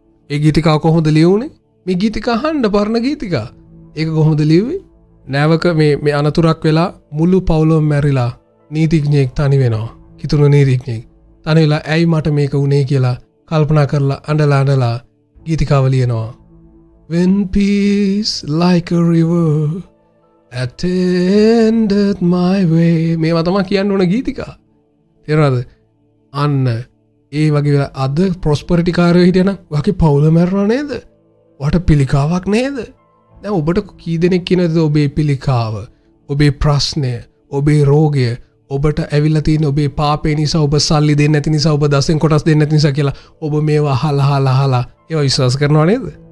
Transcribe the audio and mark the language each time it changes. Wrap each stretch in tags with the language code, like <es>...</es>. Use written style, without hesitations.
<si>ඒ ගීතිකාව කොහොමද ලියුනේ? මේ ගීතිකා අහන්න පරණ ගීතිකා. ඒක කොහොමද ලිව්වේ? නැවක මේ අනතුරක් වෙලා මුළු පවුලම මැරිලා නීතිඥයෙක් තනි වෙනවා. කිතුණු නීතිඥයෙක් තනි වෙලා ඇයි මට මේක උනේ කියලා කල්පනා කරලා අඬලා අඬලා ගීතිකාව ලියනවා.</si> <en>When peace like a river attended my way.</en> <si>මේවා තමයි කියන්න ඕන ගීතිකා. තේරුණාද? අන්න ඒ වගේ අද ප්‍රොස්පරිටි කාර්යය හිටියනම් වාගේ පවුල මැරුණා නේද? වට පිළිකාවක් නේද? දැන් ඔබට කී දෙනෙක් කියනද ඔබේ පිළිකාව, ඔබේ ප්‍රශ්නය, ඔබේ රෝගය, ඔබට ඇවිල්ලා තියෙන ඔබේ පාපේ නිසා, ඔබ සල්ලි දෙන්නේ නැති නිසා, ඔබ දසෙන් කොටස් දෙන්නේ නැති නිසා කියලා ඔබ මේවා අහලා අහලා අහලා ඒවා විශ්වාස කරනවා නේද?</si>